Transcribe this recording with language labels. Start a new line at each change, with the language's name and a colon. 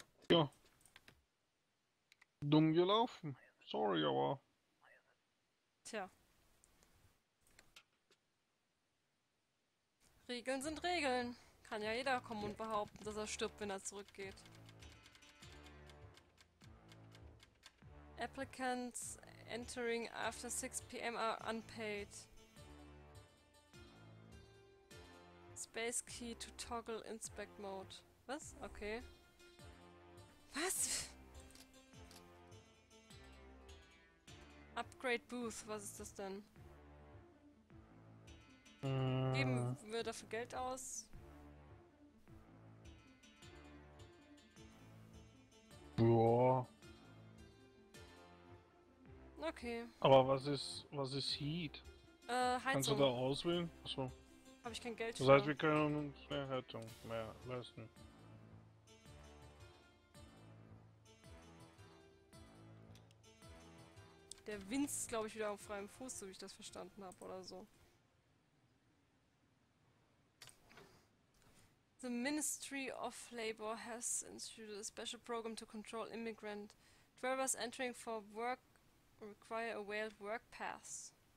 German: Ja. Dumm gelaufen. Sorry, aber. Tja. Regeln sind Regeln. Kann ja jeder kommen und behaupten, dass er stirbt, wenn er zurückgeht.
English: Applicants entering after 6 PM are unpaid. Space key to toggle inspect mode.
German: Was? Okay. Was? Upgrade Booth, was ist das denn? Geben wir dafür Geld aus? Boah. Okay. Aber was ist Heat? Heizung. Kannst du da auswählen? Achso. Hab ich kein Geld für. Das heißt, wir können uns mehr Heizung mehr leisten. Der Wind ist, glaube ich, wieder auf freiem Fuß, so wie ich das verstanden habe, oder so.
English: The Ministry of Labor has instituted a special program to control immigrant drivers entering for work require a valid work pass.